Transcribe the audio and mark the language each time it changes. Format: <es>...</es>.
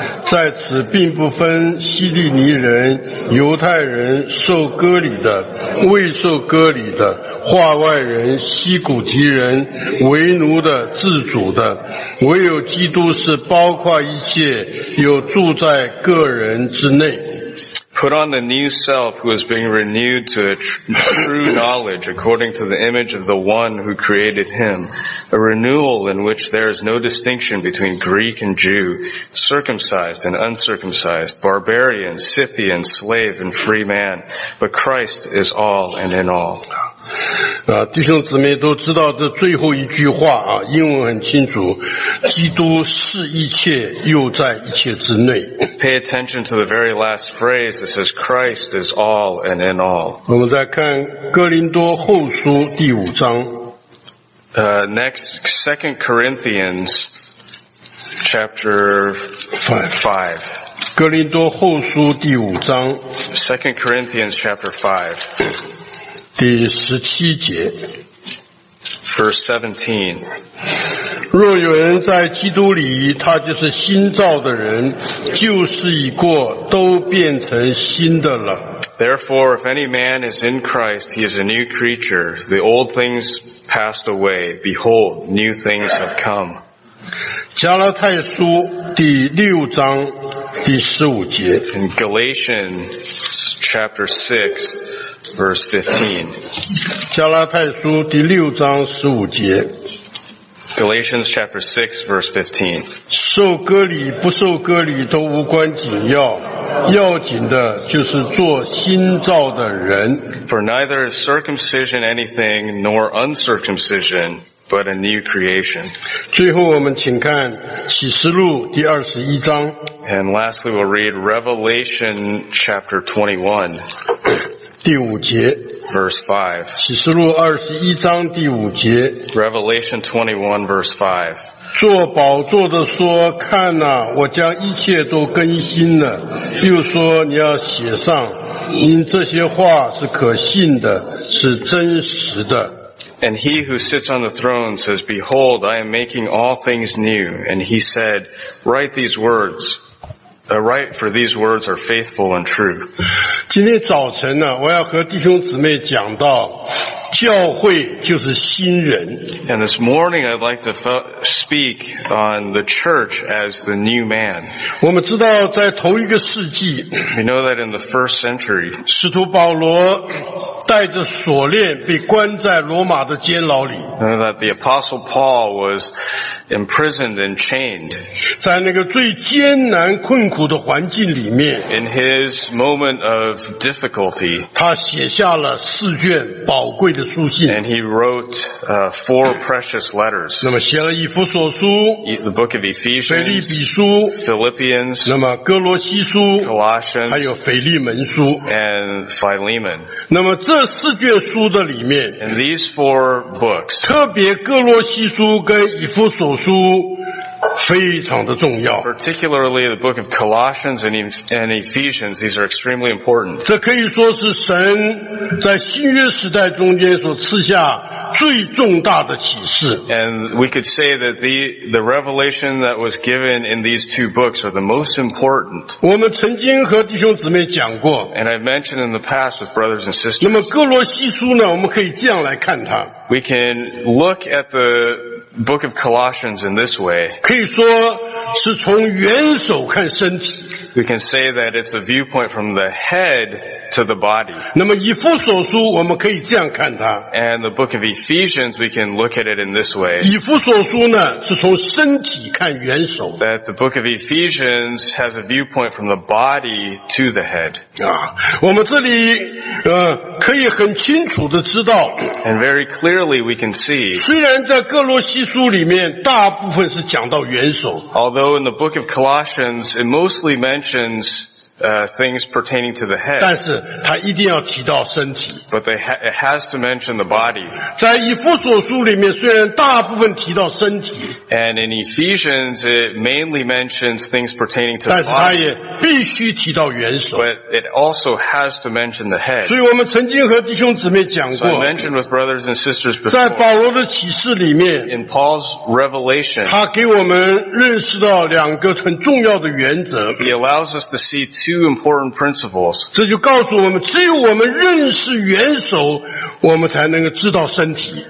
<zh>在此并不分希利尼人、犹太人、受割礼的、未受割礼的、化外人、希古提人、为奴的、自主的，唯有基督是包括一切，又住在个人之内。</zh> <en>Put on the new self who is being renewed to a true knowledge according to the image of the one who created him, a renewal in which there is no distinction between Greek and Jew, circumcised and uncircumcised, barbarian, Scythian, slave and free man, but Christ is all and in all.</en> <zh>弟兄姊妹都知道这最后一句话啊，英文很清楚，基督是一切又在一切之内。</zh> <en>Pay attention to the very last phrase. It says Christ is all and in all.</en> <zh>我们再看哥林多后书第五章。</zh> <en>Next, 2 Corinthians chapter 5.</en> <zh>哥林多后书第五章。</zh> <en>2 Corinthians chapter 5.</en> <zh>第十七节。</zh> <en>Verse 17.</en> <zh>若有人在基督里，他就是新造的人，旧事已过，都变成新的了。</zh> <en>Therefore, if any man is in Christ, he is a new creature. The old things passed away. Behold, new things have come.</en> <zh>加拉太书第六章第十五节。</zh> <en>In Galatians chapter 6, verse 15.</en> <zh>加拉太书第六章十五节。</zh> <en>Galatians chapter 6 verse 15.</en> <zh>受割礼不受割礼都无关紧要，要紧的就是做新造的人。</zh> <en>For neither is circumcision anything nor uncircumcision but a new creation.</en> <zh>最后我们请看启示录第二十一章。</zh> <en>And lastly we'll read Revelation chapter 21.</en> <zh>第五节。</zh> <en>Verse 5.</en> <zh>启示录二十一章第五节。</zh> <en>Revelation 21 verse 5.</en> <zh>坐宝座的说，看哪，我将一切都更新了。又说，你要写上，因这些话是可信的，是真实的。</zh> <en>And he who sits on the throne says, Behold, I am making all things new. And he said, Write these words. Right, for these words are faithful and true.</en> <zh>今天早晨呢，我要和弟兄姊妹讲到，教会就是新人。</zh> <en>And this morning I'd like to speak on the church as the new man.</en> <zh>我们知道在头一个世纪，</zh> <en>We know that in the first century,</en> <zh>使徒保罗带着锁链被关在罗马的监牢里。</zh> <en>That the Apostle Paul was imprisoned and chained.</en> <zh>在那个最艰难困苦的环境里面，</zh> <en>In his moment of difficulty,</en> <zh>他写下了四卷宝贵的书信。</zh> <en>And he wrote four precious letters.</en> <zh>那么写了以弗所书，</zh> <en>The book of Ephesians,</en> <zh>腓立比书，</zh> <en>Philippians,</en> <zh>那么哥罗西书，</zh> <en>Colossians,</en> <zh>还有腓利门书，</zh> <en>and Philemon.</en> <zh>那么这四卷书的里面，</zh> <en>In these four books,</en> <zh>特别哥罗西书跟以弗所书非常的重要。</zh> <en>Particularly the book of Colossians and Ephesians, these are extremely important.</en> <zh>这可以说是神在新约时代中间所赐下最重大的启示。</zh> <en>And we could say that the revelation that was given in these two books are the most important.</en> <zh>我们曾经和弟兄姊妹讲过。</zh> <en>And I've mentioned in the past with brothers and sisters.</en> <zh>那么哥罗西书呢，我们可以这样来看它。</zh> <en>We can look at the book of Colossians in this way.</en> <zh>可以说是从元首看身体。</zh> <en>We can say that it's a viewpoint from the head to the body.</en> <zh>那么以弗所书我们可以这样看它。</zh> <en>And the book of Ephesians, we can look at it in this way.</en> <zh>以弗所书呢是从身体看元首。</zh> <en>That the book of Ephesians has a viewpoint from the body to the head.</en> <zh>啊，我们这里可以很清楚的知道。</zh> <en>And very clearly we can see.</en> <zh>虽然在哥罗西书里面大部分是讲到元首。</zh> <en>Although in the book of Colossians, it mostly mentions things pertaining to the head.</en> <zh>但是他一定要提到身体。</zh> <en>But they it has to mention the body.</en> <zh>在以弗所书里面虽然大部分提到身体。</zh> <en>And in Ephesians, it mainly mentions things pertaining to the body.</en> <zh>但是他也必须提到元首。</zh> <en>But it also has to mention the head.</en> <zh>所以我们曾经和弟兄姊妹讲过。</zh> <en>So I mentioned with brothers and sisters before.</en> <zh>在保罗的启示里面。</zh> <en>In Paul's revelation.</en> <zh>他给我们认识到两个很重要的原则。</zh> <en>He allows us to see two important principles.</en> <zh>这就告诉我们，只有我们认识元首，我们才能够知道身体。</zh>